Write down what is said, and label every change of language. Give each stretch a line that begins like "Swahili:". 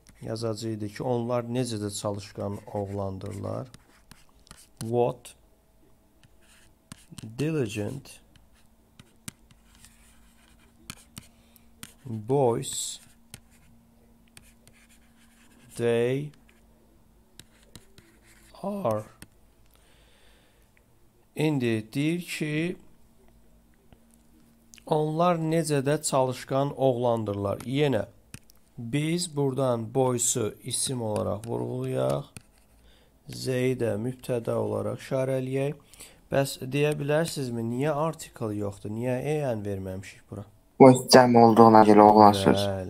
Azerbaijani: Yazacı idi ki, onlar necə də çalışqan oğlandırlar.
English: What diligent boys they are.
Azerbaijani: İndi deyir ki, onlar necə də çalışqan oğlandırlar. Yenə biz buradan boysu isim olaraq vurğulayaq. Z-i də mübtəda olaraq işarələyək. Bəs deyə bilərsinizmi, niyə artikl yoxdur? Niyə en verməmişik bura? Bu cəm olduğuna göre oğlan söz.